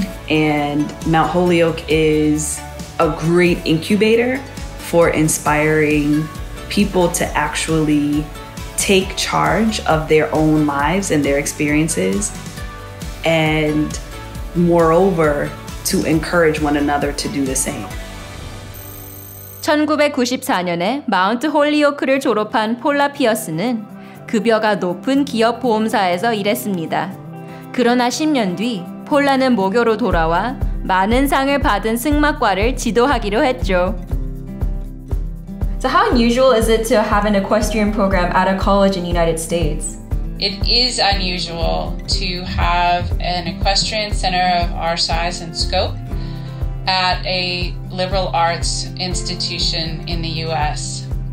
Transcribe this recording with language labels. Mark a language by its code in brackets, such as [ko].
[en] And Mount Holyoke is a great incubator for inspiring people to actually take charge of their own lives and their experiences, and moreover, to encourage one another to do the same. [ko] 1994년에 마운트 홀리오크를 졸업한 폴라 피어스는 급여가 높은 기업 보험사에서 일했습니다. 그러나 10년 뒤 폴라는 모교로 돌아와 많은 상을 받은 승마과를 지도하기로 했죠. [en] So how unusual is it to have an equestrian program at a college in the United States? It is unusual to have an equestrian center of our size and scope at a liberal arts institution in the U.S.